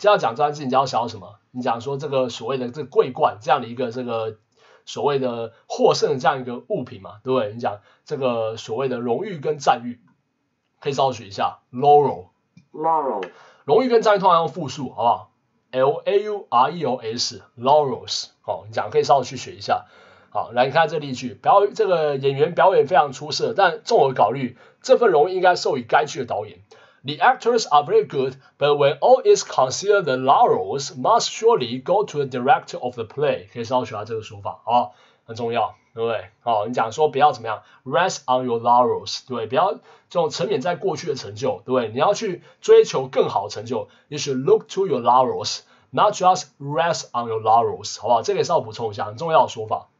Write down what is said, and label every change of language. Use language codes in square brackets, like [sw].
[zh] 这样讲这件事，你就要想什么？你讲说这个所谓的这个桂冠这样的一个这个所谓的获胜的这样一个物品嘛，对不对？你讲这个所谓的荣誉跟赞誉，可以稍微学一下 laurel。 [en] laurel， [zh] 荣誉跟赞誉通常用复数，好不好 ？L A U R E O S， laurels， 哦，你讲可以稍微去学一下。好，来看这例句，表这个演员表演非常出色，但综合考虑，这份荣誉应该授予该剧的导演。 [en] The actors are very good, but when all is considered, the laurels must surely go to the director of the play。 [zh] 可以稍微学下这个说法，好，很重要，对不对？好，你讲说不要怎么样 ， [en] rest on your laurels， [zh] 对，不要这种沉湎在过去的成就，对，你要去追求更好的成就 ， [en] you should look to your laurels, [zh] not just rest on your laurels， 好不好？这个也稍微补充一下，很重要的说法。